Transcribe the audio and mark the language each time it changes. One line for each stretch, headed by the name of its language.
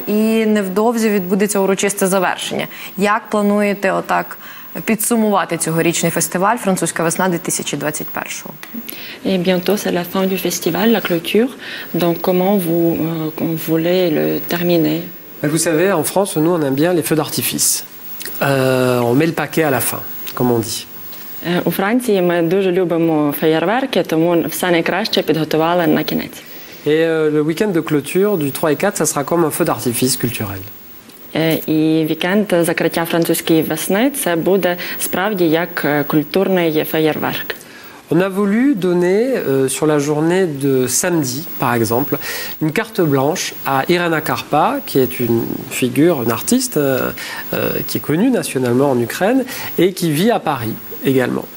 Ukrainian: І невдовзі відбудеться урочисте завершення. Як плануєте отак підсумувати цьогорічний фестиваль «Французька весна» 2021-го?
French: Et bientôt c'est la fin du festival, la clôture. Donc comment vous voulez le terminer? Vous savez, en France, nous on aime bien les feux d'artifice. On met le paquet à la fin, comme on dit.
Ukrainian: У Франції ми дуже любимо феєрверки, тому все найкраще підготували на кінець.
French: Et le week-end de clôture du 3 et 4, ça sera comme un feu d'artifice culturel.
Ukrainian: І вікенд закриття французької весни – це буде справді як культурний феєрверк.
French: On a voulu donner sur la journée de samedi, par exemple, une carte blanche à Irina Karpa, qui est une figure, une artiste, qui est connue nationalement en Ukraine et qui vit à Paris également.